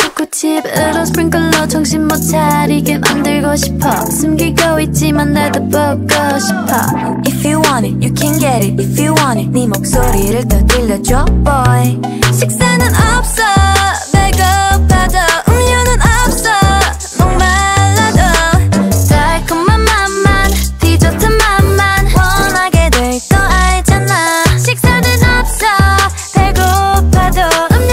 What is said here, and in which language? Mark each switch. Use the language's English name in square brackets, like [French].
[Korean] 집으로 스프링클로 정신 못 차리게 만들고 싶어 숨기고 있지만 날 더 보고 싶어 [English] If you want it, you can get it If you want it, [Korean] 네 목소리를 더 들려줘, [English] boy [Korean] 식사는 없어, 배고파도 음료는 없어 목말라도 달콤한 맛만, 디저트 맛만 원하게 될 거 알잖아 식사는 없어, 배고파도